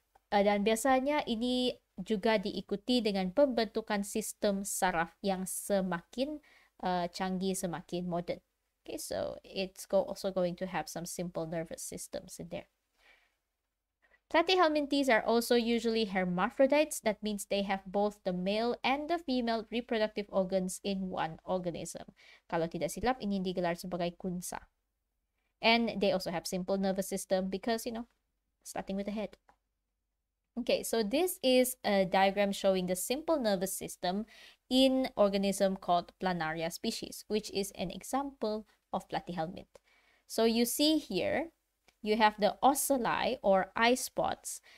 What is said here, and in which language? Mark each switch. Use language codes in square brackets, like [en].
[id] Dan biasanya ini juga diikuti dengan pembentukan sistem saraf yang semakin canggih, semakin modern. [en] Okay, so it's also going to have some simple nervous systems in there. Platyhelminthes are also usually hermaphrodites. That means they have both the male and the female reproductive organs in one organism. [ms] Kalau tidak silap, ini digelar sebagai kunsa. [en] And they also have simple nervous system because, you know, starting with the head. Okay, so this is a diagram showing the simple nervous system in organism called Planaria species, which is an example of platyhelminth. So you see here, you have the ocelli or eye spots.